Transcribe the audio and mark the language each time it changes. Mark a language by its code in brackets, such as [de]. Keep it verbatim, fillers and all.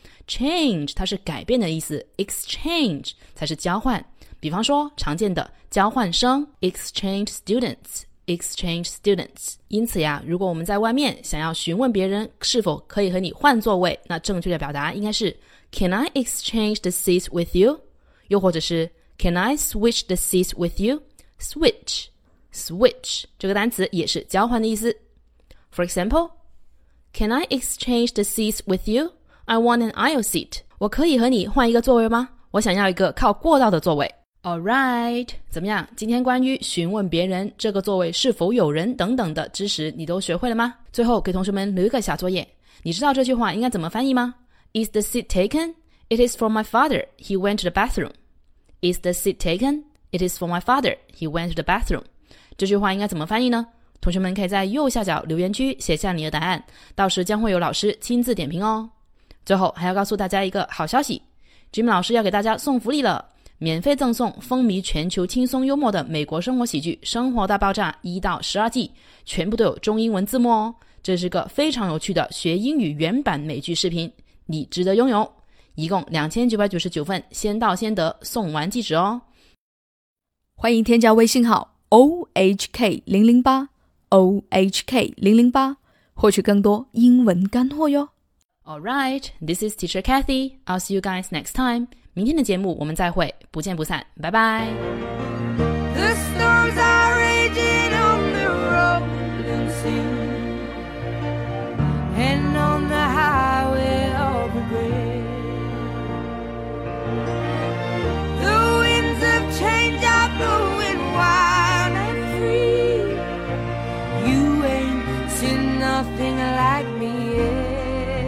[zh] Change 它是改变的意思， exchange 才是交换。比方说常见的交换生 exchange students, exchange students。因此呀，如果我们在外面想要询问别人是否可以和你换座位，那正确的表达应该是 [en] Can I exchange the seats with you? [zh] 又或者是 [en] Can I switch the seats with you? [zh] Switch, switch 这个单词也是交换的意思。 [en] For example, Can I exchange the seats with you? I want an aisle seat. [zh] 我可以和你换一个座位吗？我想要一个靠过道的座位。 Alright, 怎么样？今天关于询问别人这个座位是否有人等等的知识，你都学会了吗？最后给同学们留一个小作业，你知道这句话应该怎么翻译吗？ [en] Is the seat taken? It is for my father. He went to the bathroom. Is the seat taken? It is for my father. He went to the bathroom. [zh] 这句话应该怎么翻译呢？同学们可以在右下角留言区写下你的答案，到时将会有老师亲自点评哦。最后还要告诉大家一个好消息， Jimmy 老师要给大家送福利了，免费赠送风靡全球轻松幽默的美国生活喜剧《生活大爆炸》一到十二季，全部都有中英文字幕哦。这是个非常有趣的学英语原版美剧视频，你值得拥有。一共两千九百九十九份，先到先得，送完即止哦。欢迎添加微信号 O H K 零零八 O H K 零零八， 获取更多英文干货哟。 [en] Alright, this is teacher Cathy. I'll see you guys next time. [zh] 明天的节目我们再会，不见不散，拜拜。 [en] The storms are raging on the rolling sea and on the highway of regret. The winds of change are blowing wild and free. You ain't seen nothing like me yet.